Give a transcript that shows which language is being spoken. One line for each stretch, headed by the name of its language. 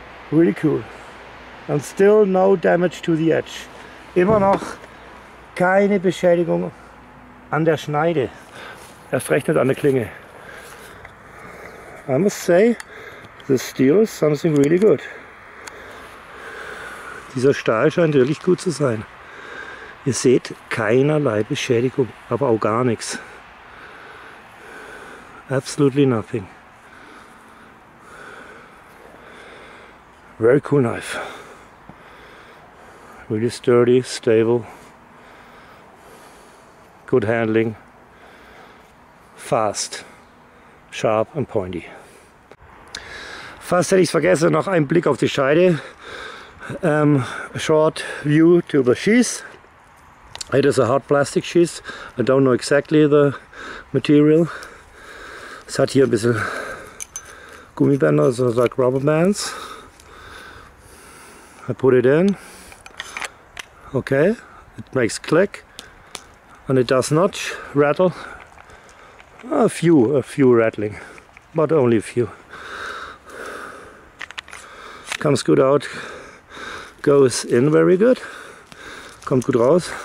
English: Really cool. And still no damage to the edge.
German: Immer noch keine Beschädigung an der Schneide. Erst recht nicht an der Klinge.
English: I must say, the steel is something really good.
German: Dieser Stahl scheint wirklich gut zu sein. Ihr seht keinerlei Beschädigung, aber auch gar nichts.
English: Absolutely nothing. Very cool knife. Really sturdy, stable. Good handling. Fast. Sharp and pointy.
German: Fast hätte ich es vergessen, noch einen Blick auf die Scheide.
English: A short view to the sheath. It is a hard plastic sheath. I don't know exactly the material.
German: Es hat hier ein bisschen Gummibänder,
English: so like rubber bands. I put it in. Okay, it makes click and it does not rattle. A few rattling, but only a few. comes good out, goes in very good,
German: kommt gut raus.